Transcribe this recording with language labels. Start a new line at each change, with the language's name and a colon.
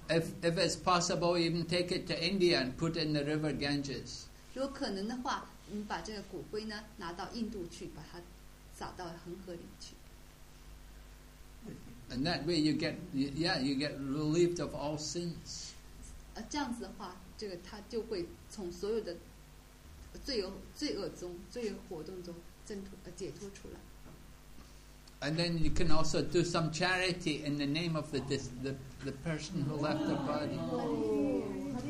English: If it's possible, even take it to India and put in the river Ganges.
Chinese: 如果可能的话。你把这个骨灰呢拿到印度去，把它撒到恒河里去。
English: And that way you get, you get relieved of all sins.
Chinese: 这样子的话，这个他就会从所有的罪恶中、罪恶活动中解脱出来。
English: And then you can also do some charity in the name of the person who left the body.